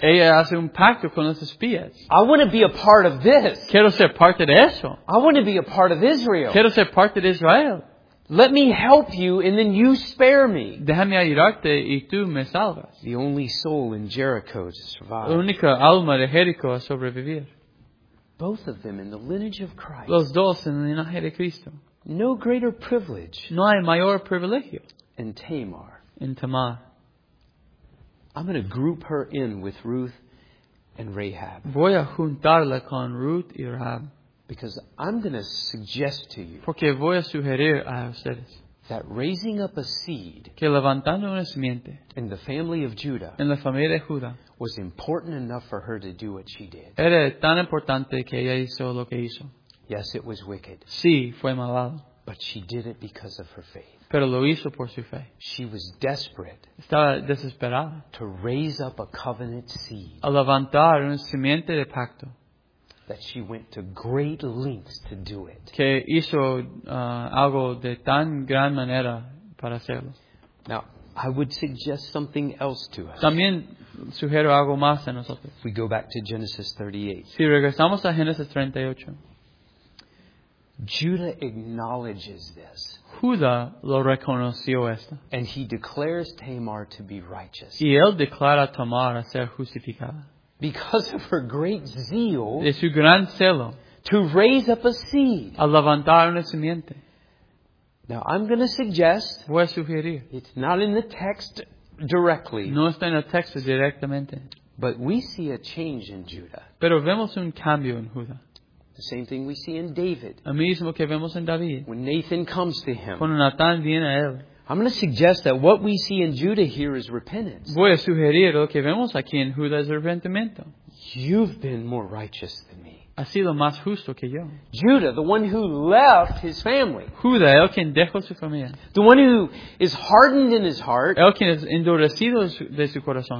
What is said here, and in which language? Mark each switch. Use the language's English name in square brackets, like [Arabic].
[Spanish] Ella hace un pacto con los espías. [English] I want to be a part of this. [Spanish] Quiero ser parte de eso. [English] I want to be a part of Israel. [Spanish] Quiero ser parte de Israel. [English] Let me help you and then you spare me. [Spanish] Déjame ayudarte y tú me salvas. [English] The only soul in Jericho to survive. [Spanish] La única alma de Jericho a sobrevivir. [English] Both of them in the lineage of Christ. [Spanish] Los dos en el linaje de Cristo. [English] No greater privilege. [Spanish] No hay mayor privilegio. [English] In Tamar. In Tamar. I'm going to group her in with Ruth and Rahab. [Spanish] Voy a juntarla con Ruth y Rahab. [English] Because I'm going to suggest to you. [Spanish] Porque voy a sugerir a ustedes. [English] That raising up a seed, [Spanish] que levantando una simiente, [English] in the family of Judah, [Spanish] en la familia de Judá, [English] was important enough for her to do what she did. [Spanish] Era tan importante que ella hizo lo que hizo. [English] Yes, it was wicked. [Spanish] Sí, fue malvado. [English] But she did it because of her faith. [Spanish] Pero lo hizo por su fe. [English] She was desperate. [Spanish] Estaba desesperada. [English] To raise up a covenant seed. [Spanish] A levantar una simiente de pacto. [English] That she went to great lengths to do it. [Spanish] Que hizo algo de tan gran manera para hacerlo. [English] Now, I would suggest something else to us. [Spanish] También sugiero algo más a nosotros. [English] We go back to Genesis 38. [Spanish] Si regresamos a Génesis 38. [English] Judah acknowledges this. [Spanish] Judá lo reconoció esto. [English] And he declares Tamar to be righteous. [Spanish] Y él declara a Tamar a ser justificada. [English] Because of her great zeal, [Spanish] de su gran celo, [English] to raise up a seed, [Spanish] a levantar una simiente. [English] Now I'm going to suggest, [Spanish] voy a sugerir, [English] it's not in the text directly, [Spanish] no está en el texto directamente, [English] but we see a change in Judah. [Spanish] Pero vemos un cambio en Judá. [English] The same thing we see in David. [Spanish] El mismo que vemos en David. [English] When Nathan comes to him, [Spanish] cuando Natán viene a él. [English] I'm going to suggest that what we see in Judah here is repentance. [Spanish] Voy a sugerir lo que vemos aquí en Judá es arrepentimiento. [English] You've been more righteous than me. [Spanish] Has sido más justo que yo. [English] Judah, the one who left his family. [Spanish] Judá, el quien dejó su familia. [English] The one who is hardened in his heart. [Spanish] El quien es endurecido de su corazón.